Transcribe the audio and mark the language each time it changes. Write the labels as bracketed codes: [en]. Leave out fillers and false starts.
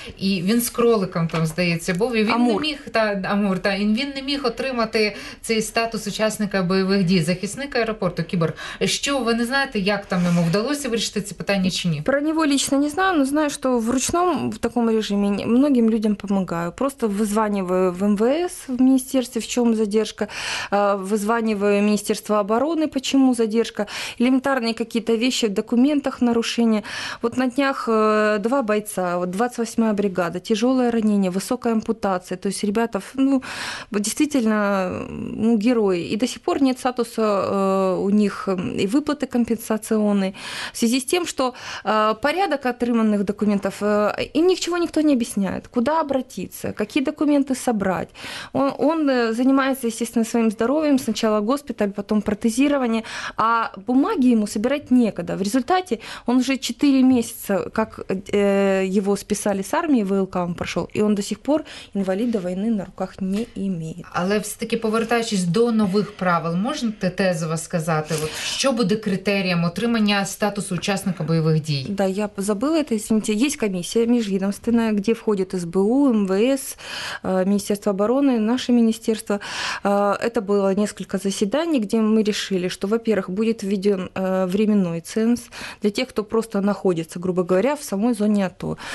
[uk] І він з кроликом там, здається, був. І він Амур. Не міг, та, Амур, та, і він не міг отримати цей статус учасника бойових дій, захисника аеропорту, кіборг. Що, ви не знаєте, як там йому вдалося вирішити ці питання чи ні? Про нього лично не знаю, але знаю, що в ручному, в такому режимі, многим людям допомагаю. [ru] Просто визвання в МВС, в министерстве, в чем задержка, вызваниваю Министерство обороны, почему задержка, элементарные какие-то вещи в документах, нарушения. Вот на днях два бойца, 28-я бригада, тяжелое ранение, высокая ампутация, то есть ребята, ну, действительно, ну, герои. И до сих пор нет статуса у них и выплаты компенсационные. В связи с тем, что порядок отрыманных документов, им ничего никто не объясняет. Куда обратиться, какие документы собрать. Он занимается, естественно, своим здоровьем. Сначала госпиталь, потом протезирование. А бумаги ему собирать некогда. В результате он уже 4 месяца, как его списали с армии, в ВЛК он прошел, и он до сих пор инвалида войны на руках не имеет. [uk] Але все-таки, повертаючись до нових правил, можна тезово сказати, вот, що буде критерієм отримання статусу учасника бойових дій? [ru] Да, я забыла это, извините. Есть комиссия межведомственная, где входит СБУ, МВС, Министерство обороны, наше министерство. Это было несколько заседаний, где мы решили, что, во-первых, будет введен временной ценз для тех, кто просто находится, грубо говоря, в самой зоне АТО.